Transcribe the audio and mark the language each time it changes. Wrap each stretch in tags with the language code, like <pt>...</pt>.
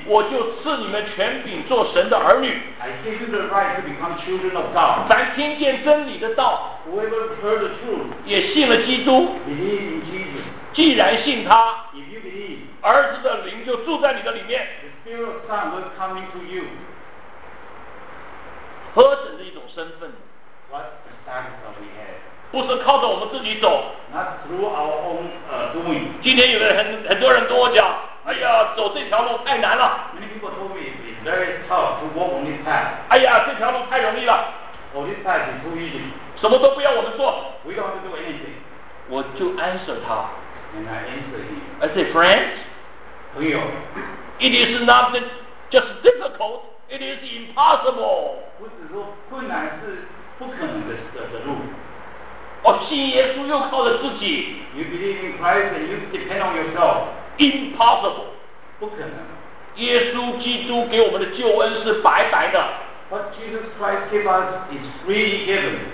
<zh>我就赐你们权柄做神的儿女</zh> <en>I give you the right to become children of God,</en> <zh>凡听见真理的道</zh> <en>whoever heard the truth,</en> <zh>也信了基督</zh> <en>believe in Jesus,</en> <zh>既然信他</zh> <en>if you believe,</en> <zh>儿子的灵就住在你的里面</zh> <en>the spirit of son will come into you</en> <zh>何等的一种身份</zh> <en>what the status that we have</en> <zh>不是靠着我们自己走</zh> <en>not through our own doing</en> <zh>今天有人 很多人跟我讲哎呀走这条路太难了</zh> <en>many people told me it's very tough to walk on this path</en> <zh>哎呀这条路太容易了</zh> <en>oh this path is too easy</en> <zh>什么都不要我们做</zh> <en>we don't have to do anything</en> <zh>我就 answer 他</zh> <en>and I answer him I say friends</en> <zh>朋友</zh> <en>it is not just difficult it is impossible</en> <zh>不是说困难是不可能 的路哦，信耶稣又靠着自己。</zh> <en>You believe in Christ and you depend on yourself. Impossible.</en> <zh>不可能。耶稣基督给我们的救恩是白白的。</zh> <en>What Jesus Christ gave us is freely given.</en>